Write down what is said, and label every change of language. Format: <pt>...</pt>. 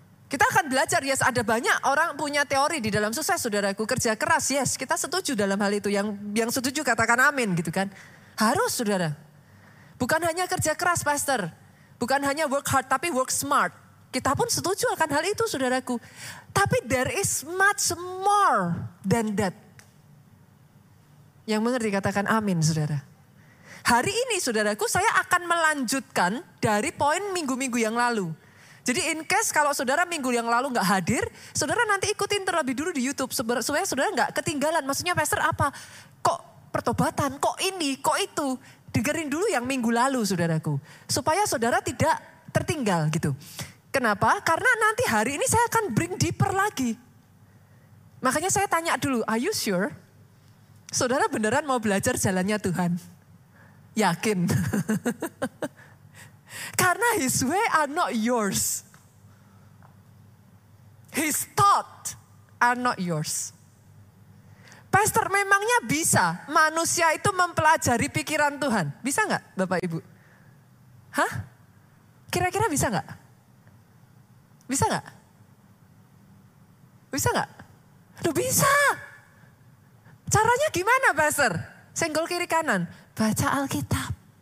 <id>Kita akan belajar, yes ada banyak orang punya teori di dalam sukses saudaraku. Kerja keras, yes kita setuju dalam hal itu. Yang setuju katakan amin gitu kan. Harus saudara. Bukan hanya kerja keras pastor. Bukan hanya</id> <en>work hard</en> <id>tapi</id> <en>work smart.</en> <id>Kita pun setuju akan hal itu saudaraku. Tapi</id> <en>there is much more than that.</en> <id>Yang mengerti katakan amin saudara. Hari ini saudaraku saya akan melanjutkan dari poin minggu-minggu yang lalu. Jadi</id> <en>in case</en> <id>kalau saudara minggu yang lalu gak hadir, saudara nanti ikutin terlebih dulu di YouTube. Supaya saudara gak ketinggalan. Maksudnya pastor apa? Kok pertobatan? Kok ini? Kok itu? Dengerin dulu yang minggu lalu saudaraku. Supaya saudara tidak tertinggal gitu. Kenapa? Karena nanti hari ini saya akan</id> <en>bring deeper</en> <id>lagi. Makanya saya tanya dulu,</id> <en>are you sure?</en> <id>Saudara beneran mau belajar jalannya Tuhan? Yakin? Karena</id> <en>his way are not yours. His thought are not yours.</en> <id>Pastor memangnya bisa manusia itu mempelajari pikiran Tuhan? Bisa gak Bapak Ibu? Hah? Kira-kira bisa gak? Bisa gak? Bisa gak? Aduh bisa. Caranya gimana pastor? Senggol kiri kanan. Baca Alkitab.</id>